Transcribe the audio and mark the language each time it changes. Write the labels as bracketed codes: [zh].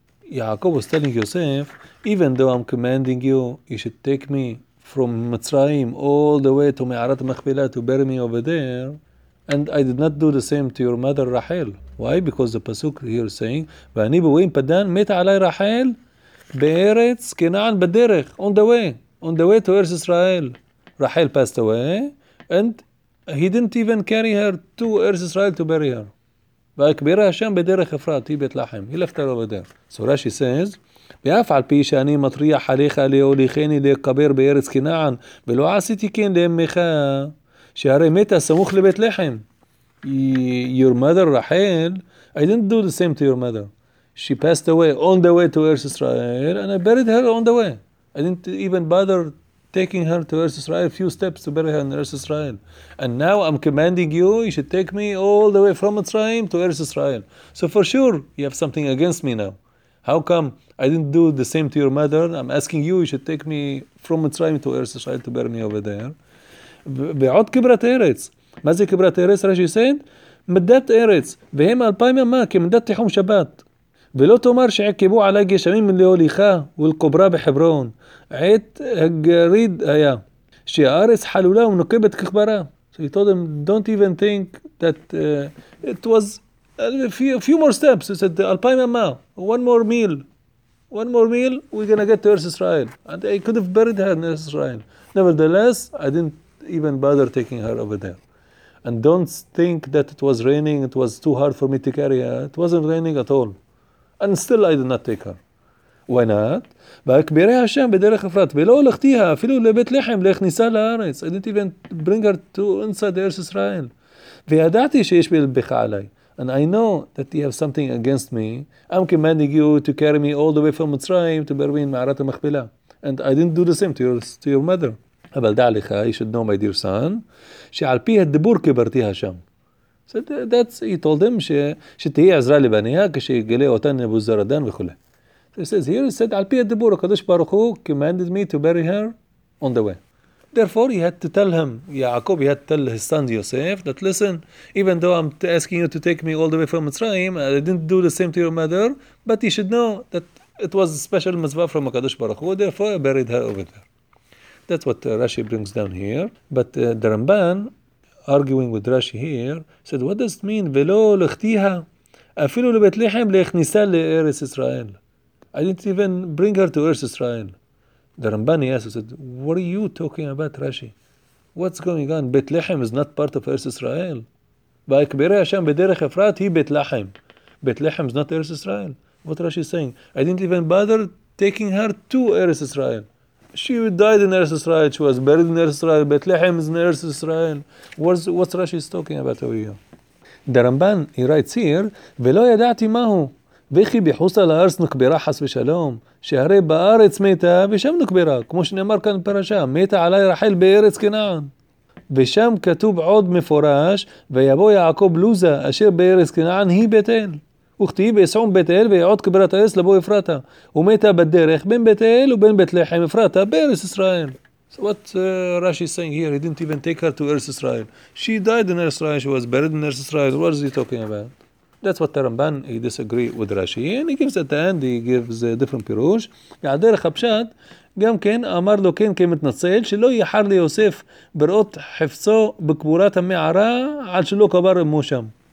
[en] Yaakov was telling Yosef, even though I'm commanding you, you should take me from Mitzrayim all the way to Me'arat HaMachpelah to bury me over there, and I did not do the same to your mother Rahel. Why? Because the Pasuk here is saying, [he] Va'ani bebo'im paddan, mita alai Rahel, בארץ כנען בדרך, [en] on the way to Eretz Israel. Rahel passed away, and he didn't even carry her to Eretz Israel to bury her. [he] והקבירה השם בדרך אפרת, היא בית לחם, היא לפתה לו בדרך. [en] So Rashi says, [he] ואף על פי שאני מטריח עליך להוליכני לקבר בארץ כנען, ולא עשיתי כן לאמך, שהרי מתה סמוך לבית לחם. [en] Your mother Rahel, I didn't do the same to your mother. She passed away on the way to Eretz Israel, and I buried her on the way. I didn't even bother taking her to Eretz Israel, a few steps to bury her in Eretz Israel. And now I'm commanding you, you should take me all the way from Mitzrayim to Eretz Israel. So for sure, you have something against me now. How come I didn't do the same to your mother? I'm asking you, you should take me from Mitzrayim to Eretz Israel to bury me over there. [he] Ve'od kibrat eretz. Mazi kibrat eretz, [en] Rashi said, [he] Medat eretz. Ve'hem alpaim yama, ke medat tichum shabbat. ולא תאמר שעקבו עלי גשמים להוליכה ולקוברה בחברון. עת הגריד היה, שהארץ חלולה ונוקבת כחברה. [en] So he told him, don't even think that it was a few more steps. He said, 2,000 amah, one more meal, we're going to get to Eretz Israel. And I could have buried her in Eretz Israel. Nevertheless, I didn't even bother taking her over there. And don't think that it was raining, it was too hard for me to carry her. It wasn't raining at all. And still I did not take her. Why not? [he] והקבירי השם בדרך אפרת, ולא הולכתיה אפילו לבית לחם, להכניסה לארץ. [en] I didn't even bring her to inside Eretz Israel. [he] וידעתי שיש בלבך עליי. [en] And I know that you have something against me. I'm commanding you to carry me all the way from Mitzrayim to bury me in מערת המכפלה. And I didn't do the same to your mother. [he] אבל דע לך, [en] you should know my dear son, [he] שעל פי הדיבור קברתי השם. [en] So that's, he told him, [he] שתהי עזרה לבניה, כשיגלה אותן נבוזרדן וכו'. [en] So he says, here he said, [he] על פי הדיבור, [en] הקדוש ברוך הוא commanded me to bury her on the way. Therefore, he had to tell him, יעקב, he had to tell his son Yosef, that listen, even though I'm asking you to take me all the way from Mitzrayim, I didn't do the same to your mother, but you should know that it was a special mitzvah from הקדוש ברוך הוא, therefore I buried her over there. That's what Rashi brings down here. But the Ramban, arguing with Rashi here, said, what does it mean? [he] ולא לכתיה אפילו לבית לחם להכניסה לארץ ישראל. [en] I didn't even bring her to Eretz Israel. The Ramban asked, said, what are you talking about, Rashi? What's going on? בית לחם is not part of Eretz Israel. [he] והקבירי השם בדרך אפרת היא בית לחם. [en] בית לחם is not Eretz Israel. What Rashi is saying? I didn't even bother taking her to Eretz Israel. She died in Eretz Israel. She was buried in Eretz Israel. Bethlehem is in Eretz Israel. What's Rashi is talking about over here? The Ramban, he writes here, [he] ולא ידעתי מהו, וכי ביחוסה לארץ נקבירה חס ושלום, שהרי בארץ מתה ושם נקבירה, כמו שנאמר כאן פרשה, מתה עליי רחל בארץ כנען. ושם כתוב עוד מפורש, ויבוא יעקב לוזה אשר בארץ כנען היא בית אל. וכתיב יסעום בית אל ויעוד קבירת הארץ לבוא אפרתה. ומתה בדרך בין בית אל ובין בית לחם אפרתה בארץ ישראל. [en] So what Rashi is saying here, he didn't even take her to Eretz Israel. She died in Eretz Israel, she was buried in Eretz Israel. What is he talking about? That's what the Ramban, he disagrees with Rashi. And he gives at the end, he gives a different pirush. [he] Yeah, דרך הפשט, גם כן אמר לו כן כמתנצל, שלא יחר ליוסף בראות חפצו בקבורת המערה, על שלא קבר אמו שם.